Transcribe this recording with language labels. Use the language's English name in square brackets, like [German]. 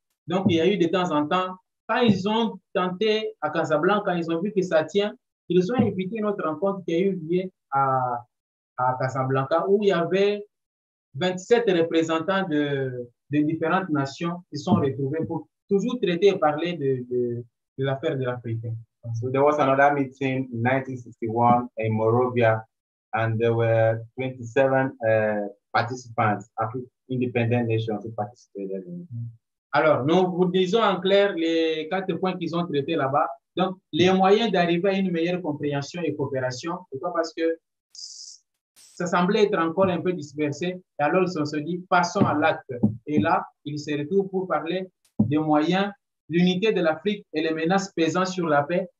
[French] Donc, il y a eu de temps en temps, quand ils ont tenté à Casablanca, quand ils ont vu que ça tient, ils ont invité une autre rencontre qui a eu lieu à Casablanca, où il y avait 27 représentants de différentes nations qui sont retrouvés pour toujours traiter et parler de l'affaire de l'Afrique. [English] So there was another meeting in 1961 in Monrovia, and there were 27 participants, independent nations who participated in it. [French] Alors, nous vous disons en clair les quatre points qu'ils ont traités là-bas. Donc, les moyens d'arriver à une meilleure compréhension et coopération, pourquoi? Parce que ça semblait être encore un peu dispersé. Et alors, on se dit, passons à l'acte. Et là, ils se retrouvent pour parler des moyens, l'unité de l'Afrique et les menaces pesant sur la paix.